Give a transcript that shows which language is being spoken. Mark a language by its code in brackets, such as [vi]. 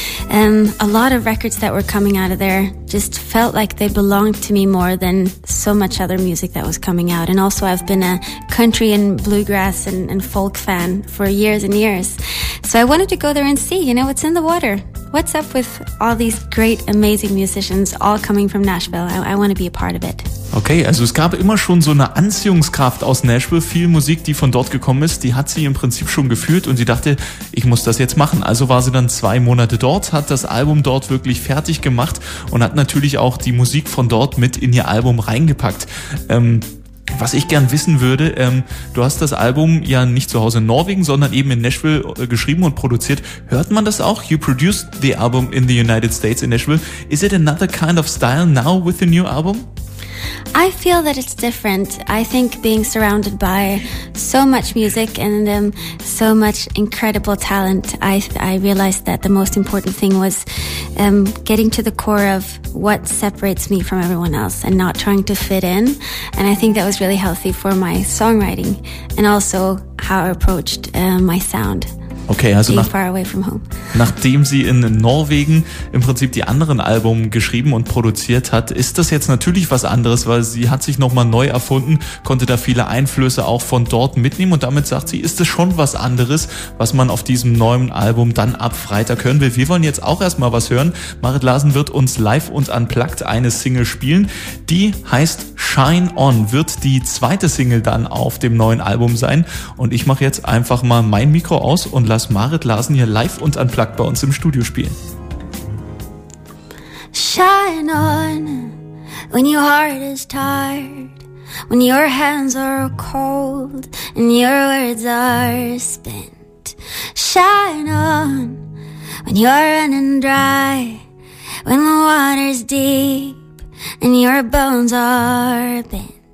[en] A lot of records that were coming out of there just felt like they belonged to me more than so much other music that was coming out. And also, I've been a country and bluegrass and folk fan for years and years. So I wanted to go there and see, you know, what's in the water. What's up with all these great, amazing musicians all coming from Nashville? I want to be a part of it. [de] Okay, also es gab immer schon so eine Anziehungskraft aus Nashville. Viel Musik, die von dort gekommen ist, die hat sie im Prinzip schon gefühlt und sie dachte, ich muss das jetzt machen. Also war sie dann 2 Monate dort, hat das Album dort wirklich fertig gemacht und hat natürlich auch die Musik von dort mit in ihr Album reingepackt. Was ich gern wissen würde, du hast das Album ja nicht zu Hause in Norwegen, sondern eben in Nashville geschrieben und produziert. Hört man das auch? [en] You produced the album in the United States in Nashville. Is it another kind of style now with the new album? I feel that it's different. I think being surrounded by so much music and so much incredible talent, I realized that the most important thing was getting to the core of what separates me from everyone else and not trying to fit in. And I think that was really healthy for my songwriting and also how I approached my sound. [de] Okay, also [en] far away from home. [de] Nachdem sie in Norwegen im Prinzip die anderen Alben geschrieben und produziert hat, ist das jetzt natürlich was anderes, weil sie hat sich nochmal neu erfunden, konnte da viele Einflüsse auch von dort mitnehmen und damit sagt sie, ist es schon was anderes, was man auf diesem neuen Album dann ab Freitag hören will. Wir wollen jetzt auch erstmal was hören. Marit Larsen wird uns live und unplugged eine Single spielen. Die heißt Shine On, wird die 2. Single dann auf dem neuen Album sein. Und ich mache jetzt einfach mal mein Mikro aus und lass Marit Larsen hier live und unplugged bei uns im Studio spielen. [en] Shine on, when your heart is tired, when your hands are cold and your words are spent. Shine on, when you're running dry, when the water's deep and your bones are bent.